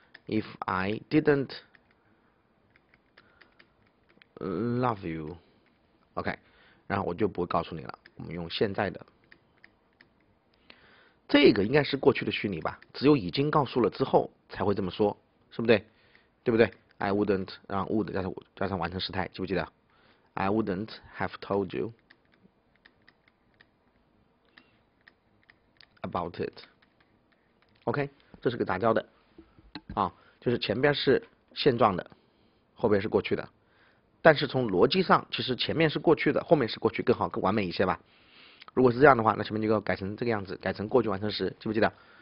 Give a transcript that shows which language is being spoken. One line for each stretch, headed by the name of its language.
English: If I didn't love you，
Chinese: OK，然后我就不会告诉你了。我们用现在的，这个应该是过去的虚拟吧？只有已经告诉了之后才会这么说，是不对？对不对？ I wouldn't，然后 would 加上完成时态，记不记得？
English: I wouldn't have told you about it。
Chinese: OK，这是个杂交的，啊，就是前边是现状的，后边是过去的，但是从逻辑上，其实前面是过去的，后面是过去更好，更完美一些吧。如果是这样的话，那前面就要改成这个样子，改成过去完成时，记不记得？